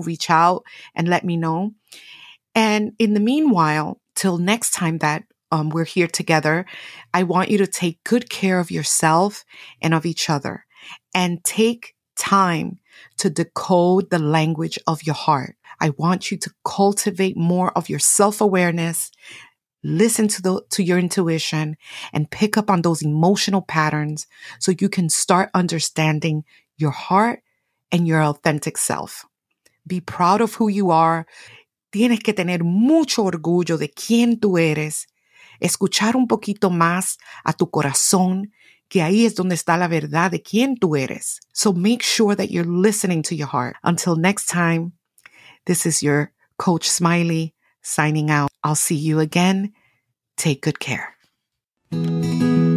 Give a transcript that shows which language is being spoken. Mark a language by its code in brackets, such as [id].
[en] Reach out and let me know. And in the meanwhile, till next time that we're here together, I want you to take good care of yourself and of each other, and take time to decode the language of your heart. I want you to cultivate more of your self-awareness, listen to your intuition, and pick up on those emotional patterns so you can start understanding your heart and your authentic self. Be proud of who you are. [es] Tienes que tener mucho orgullo de quién tú eres. Escuchar un poquito más a tu corazón, que ahí es donde está la verdad de quién tú eres. [en] So make sure that you're listening to your heart. Until next time, this is your Coach Smiley signing out. I'll see you again. Take good care.